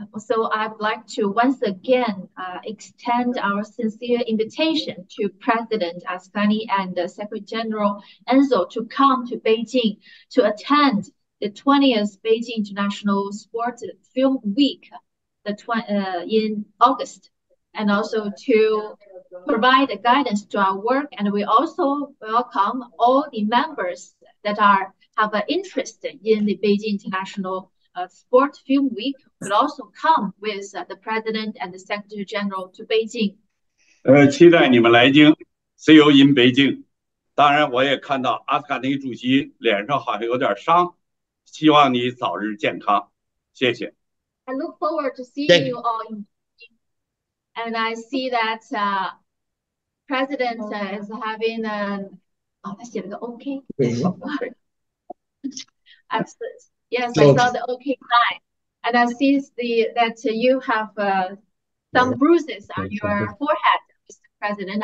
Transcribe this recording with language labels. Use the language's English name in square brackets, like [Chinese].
[English] So I'd like to once again extend our sincere invitation to President Ascani and Secretary General Enzo to come to Beijing to attend the 20th Beijing International Sports Film Week in August, and also to provide guidance to our work. And we also welcome all the members that have an interest in the Beijing International Sport Film Week will also come with the President and the Secretary General to Beijing. [Chinese] 期待你们来京 [English] ，See you in Beijing. [Chinese] 当然，我也看到阿斯卡尼主席脸上好像有点伤，希望你早日健康。谢谢。 [English] I look forward to seeing you all in Beijing, and I see that President is having an. Okay. Yes, I saw the okay sign, and I see that you have some bruises on your forehead, Mr. President.